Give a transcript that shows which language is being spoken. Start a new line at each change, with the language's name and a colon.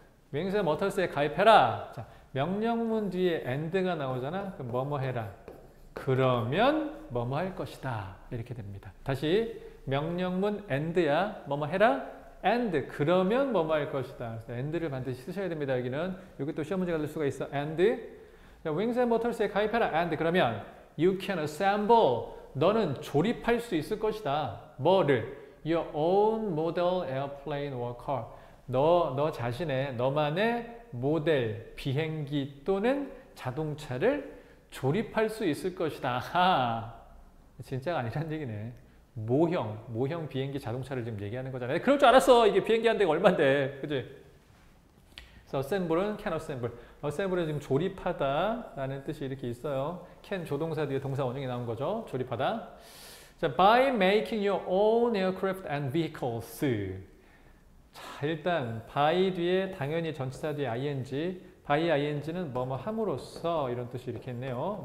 Korean: 명사 머털스에 가입해라. 자, 명령문 뒤에 and가 나오잖아. 그럼 뭐뭐 해라. 그러면 뭐뭐 할 것이다. 이렇게 됩니다. 다시 명령문 and야. 뭐뭐 해라. and. 그러면 뭐뭐 할 것이다. and를 반드시 쓰셔야 됩니다. 여기는. 여기도 시험 문제가 될 수가 있어. and. Wings and Motors에 가입해라. and.
English: 그러면 you can assemble.
Korean: 너는 조립할 수 있을 것이다. 뭐를?
English: Your own model airplane or car.
Korean: 너 자신의, 너만의 모델, 비행기 또는 자동차를 조립할 수 있을 것이다. 하, 진짜가 아니란 얘기네. 모형 비행기 자동차를 지금 얘기하는 거잖아요. 그럴 줄 알았어. 이게 비행기 한 대가 얼만데. 그치? So assemble은 can assemble. assemble은 지금 조립하다 라는 뜻이 이렇게 있어요. can 조동사 뒤에 동사 원형이 나온 거죠. 조립하다.
English: So, by making your own aircraft and vehicles.
Korean: 자, 일단 by 뒤에 당연히 전치사 뒤에 ing. by ing는 뭐뭐 함으로써 이런 뜻이 이렇게 있네요.